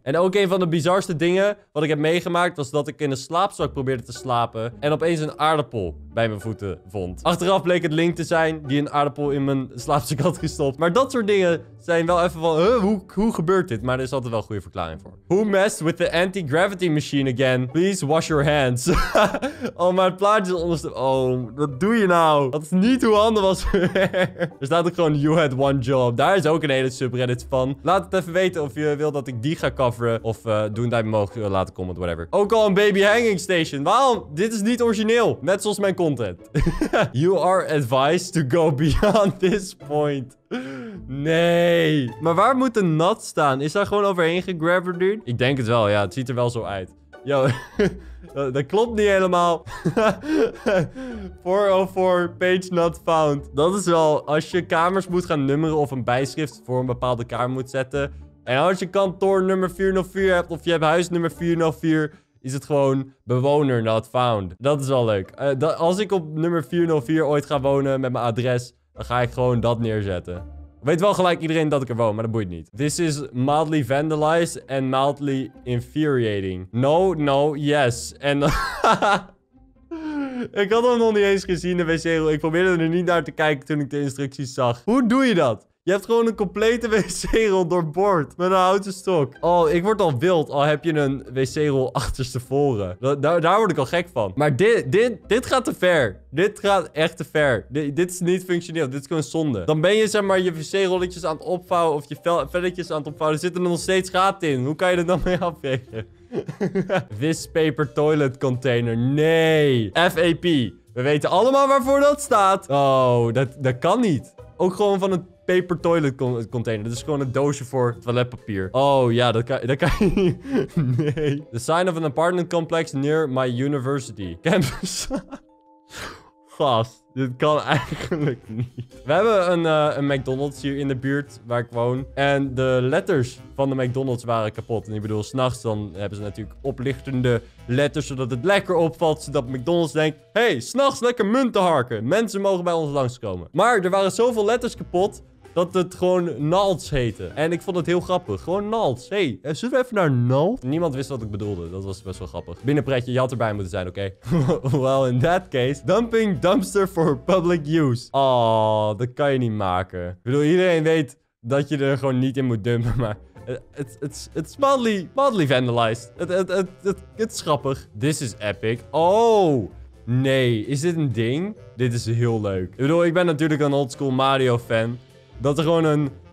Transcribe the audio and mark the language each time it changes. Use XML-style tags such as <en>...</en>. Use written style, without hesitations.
<nl>En ook een van de bizarste dingen wat ik heb meegemaakt was dat ik in een slaapzak probeerde te slapen. En opeens een aardappel bij mijn voeten vond. Achteraf bleek het Link te zijn die een aardappel in mijn slaapzak had gestopt. Maar dat soort dingen zijn wel even van, hoe gebeurt dit? Maar er is altijd wel een goede verklaring voor.</nl> <en>Who messed with the anti-gravity machine again? Please wash your hands.</en> <nl>Oh, mijn plaatje is ondersteboven. Oh, wat doe je nou? Dat is niet hoe handen was. Er staat ook gewoon,</nl> <en>you had one job.</en> <nl>Daar is ook een hele subreddit van. Laat het even weten of je wilt dat ik die ga coveren. Of doen dat mogen laten comment, whatever. Ook al een baby hanging station. Waarom? Dit is niet origineel. Net zoals mijn content.</nl> <en>You are advised to go beyond this point.</en> <nl>Nee. Maar waar moet de nat staan? Is daar gewoon overheen gegravedeerd? Ik denk het wel, ja. Het ziet er wel zo uit. Yo, dat klopt niet helemaal. 404,</nl> <en>page not found.</en> <nl>Dat is wel, als je kamers moet gaan nummeren of een bijschrift voor een bepaalde kamer moet zetten. En als je kantoor nummer 404 hebt of je hebt huis nummer 404, is het gewoon bewoner</nl> <en>not found.</en> <nl>Dat is wel leuk. Als ik op nummer 404 ooit ga wonen met mijn adres, dan ga ik gewoon dat neerzetten. Weet wel gelijk iedereen dat ik er woon, maar dat boeit niet.</nl> <en>This is mildly vandalized and mildly infuriating. No, no, yes.</en> <nl>En ik had hem nog niet eens gezien, de wc-rol. Ik probeerde er niet naar te kijken toen ik de instructies zag. Hoe doe je dat? Je hebt gewoon een complete wc-rol doorboord met een houten stok. Oh, ik word al wild. Al heb je een wc-rol achterstevoren. Daar word ik al gek van. Maar dit gaat te ver. Dit gaat echt te ver. Dit is niet functioneel. Dit is gewoon zonde. Dan ben je zeg maar je wc-rolletjes aan het opvouwen of je velletjes aan het opvouwen. Er zitten er nog steeds gaten in. Hoe kan je er dan mee afvegen? Wispaper toilet container. Nee. FAP. We weten allemaal waarvoor dat staat. Oh, dat kan niet. Ook gewoon van een paper toilet container. Dat is gewoon een doosje voor toiletpapier. Oh ja, dat kan je niet.</nl> <en>Nee. The sign of an apartment complex near my university. Campus.</en> <nl>Gast, dit kan eigenlijk niet. We hebben een McDonald's hier in de buurt waar ik woon. En de letters van de McDonald's waren kapot. En ik bedoel, 's nachts dan hebben ze natuurlijk oplichtende letters, zodat het lekker opvalt, zodat McDonald's denkt, hey, 's nachts lekker munten harken. Mensen mogen bij ons langskomen. Maar er waren zoveel letters kapot, dat het gewoon Nalts heette. En ik vond het heel grappig. Gewoon Nalts. Hé, hey, zullen we even naar Nalts? Niemand wist wat ik bedoelde. Dat was best wel grappig. Binnenpretje, je had erbij moeten zijn, oké?</nl> <en>Okay? Well, in that case, dumping dumpster for public use.</en> <nl>Oh, dat kan je niet maken. Ik bedoel, iedereen weet dat je er gewoon niet in moet dumpen, maar...</nl> <en>It's mildly vandalized. It's grappig. This is epic. Oh...</en> <nl>Nee, is dit een ding? Dit is heel leuk. Ik bedoel, ik ben natuurlijk een oldschool Mario fan. Dat er gewoon een...</nl>